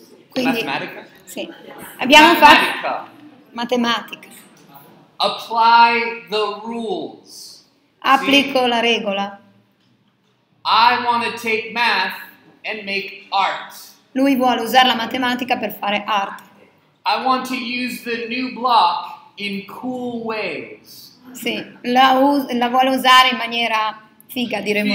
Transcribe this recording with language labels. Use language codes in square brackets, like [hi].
[it] Quindi, Mathematica? Sì. Abbiamo fatto matematica. [en] Apply the rules. [it] Applico la regola. [en] I want to take math and make art. [it] Lui vuole usare la matematica per fare art. [en] I want to use the new block in cool ways. [it] Sì, la vuole usare in maniera figa, diremmo